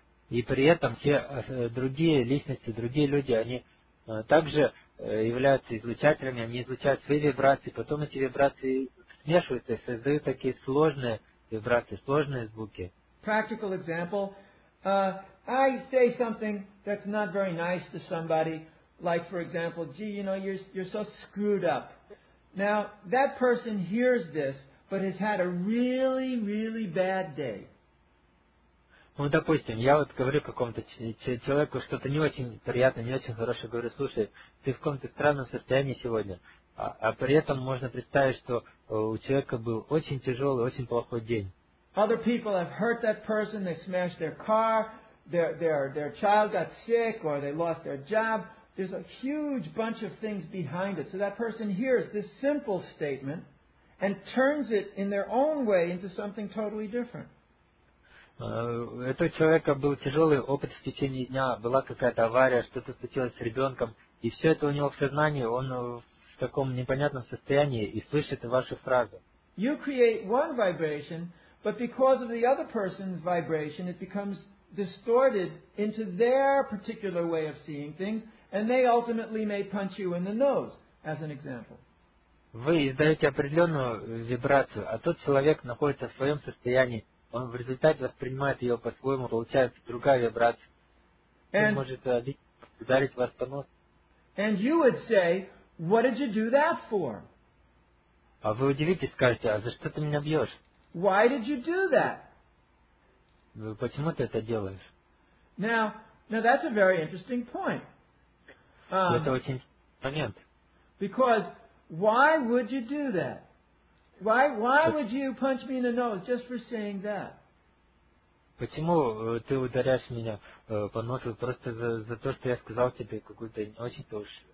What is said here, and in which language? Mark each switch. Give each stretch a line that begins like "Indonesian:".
Russian: И при этом все другие личности, другие люди, они также являются излучателями, они излучают свои вибрации, потом эти вибрации смешиваются и создают такие сложные вибрации, сложные звуки.
English: Practical example. I say something that's not very nice to somebody, like, for example, gee, you know, you're so screwed up. Now, that person hears this, but has had a really, really bad day.
Russian: Ну, допустим, я вот говорю какому-то человеку что-то не очень приятное, не очень хорошее, говорю, слушай, ты в каком-то странном состоянии сегодня. А при этом можно представить, что у человека был очень тяжелый, очень плохой день.
English: Other people have hurt that person, they smashed their car, their child got sick, or they lost their job. There's a huge bunch of things behind it. So that person hears this simple statement and turns it in their own way into something totally different.
Russian: Этого человека был тяжелый опыт в течение дня, была какая-то авария, что-то случилось с ребенком, и все это у него в сознании, он в таком непонятном состоянии и слышит вашу фразу.
English: You create one vibration, but because of the other person's vibration, it becomes distorted into their particular way of seeing things. And they ultimately may punch you in the nose, as an example.
Russian: Вы издаете определенную вибрацию, а тот человек находится в своем состоянии. Он в результате воспринимает ее по-своему, получается другая вибрация. Он может ударить вас по носу.
English: And you would say, what did you do that for?
Russian: А вы удивитесь, скажете, а за что ты меня бьешь?
English: Why did you do that?
Russian: Почему ты это делаешь?
English: Now that's a very interesting point.
Russian: Это очень интересный момент.
English: Because why would you do that? Why would you punch me in the nose just for saying that?
Russian: Почему ты ударяешь меня по носу просто за то, что я сказал тебе какую-то не очень-то уж